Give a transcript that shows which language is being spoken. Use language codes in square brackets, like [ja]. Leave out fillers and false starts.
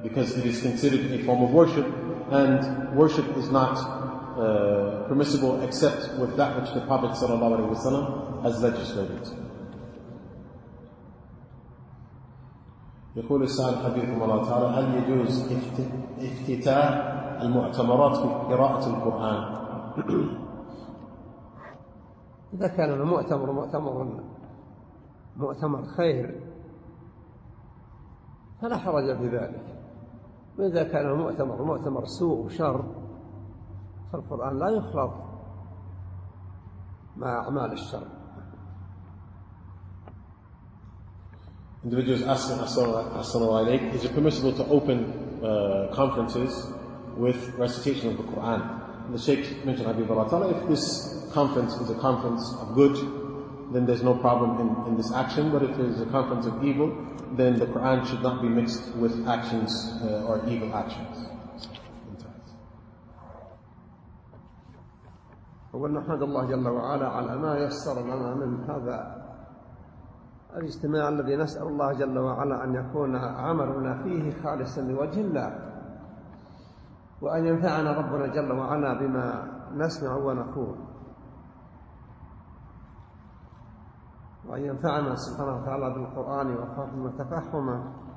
[en] Because it is considered a form of worship, and worship is not permissible except with that which the Prophet sallallahu alaihi wasallam has legislated. [ar] يقول السائل حفظكم الله تعالى هل يجوز افتتاح المؤتمرات بقراءة القرآن؟ إذا كان المؤتمر مؤتمر خير فلا حرج في ذلك. وإذا كان المؤتمر سوء وشر فالقرآن لا يخلط مع أعمال الشر. [en] Individuals asking, assalamu alaikum, is it permissible to open conferences with recitation of the Quran? And the Shaykh mentioned, Habib al-Atala, if this conference is a conference of good, then there's no problem in this action, but if it is a conference of evil, then the Quran should not be mixed with actions or evil actions. [ar] ونحمد الله جل وعلا على ما يسر لنا من هذا الاجتماع الذي نسأل الله جل وعلا أن يكون عملنا فيه خالصا لوجه الله وأن ينفعنا ربنا جل وعلا بما نسمع ونقول وأن ينفعنا سبحانه وتعالى بالقرآن وفهم وتفهمه.